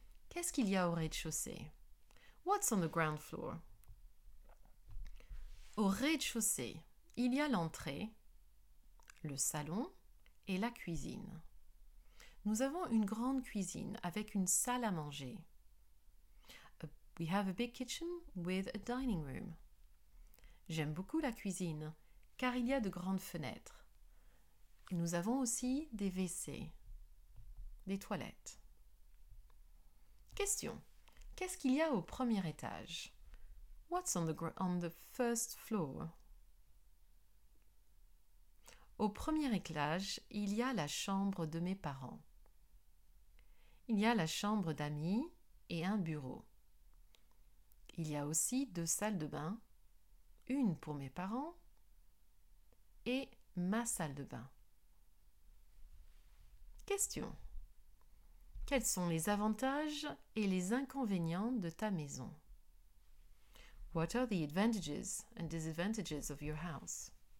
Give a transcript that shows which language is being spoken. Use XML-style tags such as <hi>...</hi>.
<fr>Qu'est-ce qu'il y a au rez-de-chaussée?</fr> <en>What's on the ground floor?</en> <fr>Au rez-de-chaussée, il y a l'entrée, le salon et la cuisine. Nous avons une grande cuisine avec une salle à manger.</fr> <en>We have a big kitchen with a dining room.</en> <fr>J'aime beaucoup la cuisine car il y a de grandes fenêtres. Nous avons aussi des WC, des toilettes. Question. Qu'est-ce qu'il y a au premier étage?</fr> <en>What's on the first floor?</en> <fr>Au premier étage, il y a la chambre de mes parents. Il y a la chambre d'amis et un bureau. Il y a aussi deux salles de bain, une pour mes parents et ma salle de bain. Question. Quels sont les avantages et les inconvénients de ta maison?</fr> <en>What are the advantages and disadvantages of your house?</en>